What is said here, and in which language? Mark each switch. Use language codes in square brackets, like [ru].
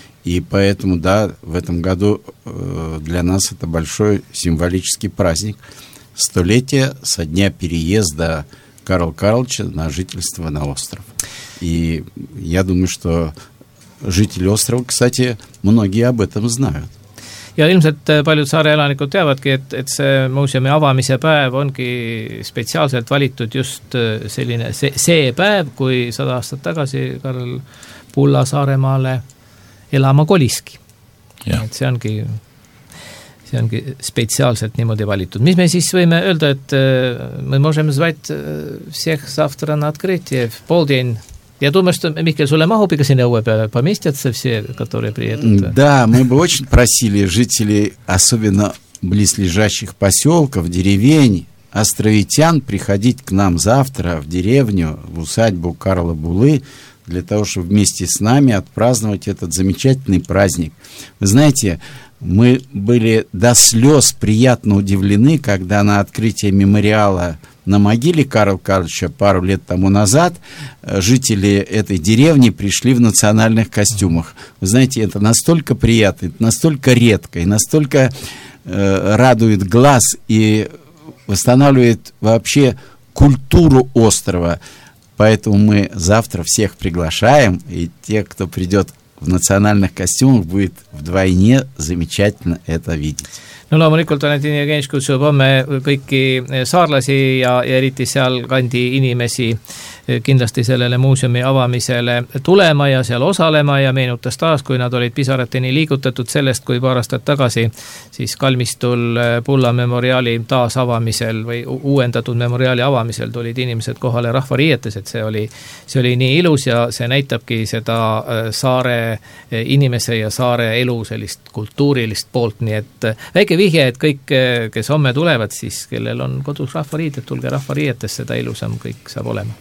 [ru] И поэтому, да, в этом году для нас это большой символический праздник. Столетие со дня переезда Карла Карловича на жительство на остров. И я думаю, что жители острова, кстати, многие об этом знают. [et] Ja ilmselt paljud saare elanikud teavadki, et see muuseumi avamise päev ongi spetsiaalselt valitud just selline see päev, kui 100 aastat tagasi Karl Pulla Saaremaale elama koliski. Ja. Et see ongi spetsiaalselt niimoodi valitud. [ru] Mis me siis võime öelda, et me možeme zvait всех завтра на открытие в полдень. Я думаю, что Михаил Сулеймахов бы сегодня у тебя поместятся все, которые приедут. Да, мы бы очень просили жителей, особенно близлежащих поселков, деревень, островитян, приходить к нам завтра в деревню, в усадьбу Карла Булы, для того, чтобы вместе с нами отпраздновать этот замечательный праздник. Вы знаете, мы были до слез приятно удивлены, когда на открытие мемориала на могиле Карла Карловича пару лет тому назад жители этой деревни пришли в национальных костюмах. Вы знаете, это настолько приятно, настолько редко и настолько радует глаз и восстанавливает вообще культуру острова. Поэтому мы завтра всех приглашаем, и те, кто придет в национальных костюмах, будет вдвойне замечательно это видеть. [et] No loomulikult on, et Inigenis kutsub homme kõiki saarlasi ja eriti seal kandi inimesi kindlasti sellele muuseumi avamisele tulema ja seal osalema ja meenutas taas, kui nad olid pisarateni liigutatud sellest, kui paar aastat tagasi siis Kalmistul Pulla memoriaali taas avamisel või uuendatud memoriaali avamisel tulid inimesed kohale rahvariietes, et see oli nii ilus ja see näitabki seda saare inimese ja saare elu sellist kultuurilist poolt, nii et vihje, et kõik, kes homme tulevad, siis kellel on kodus rahvariid, et tulge rahvariietes, seda ilusam kõik saab olema.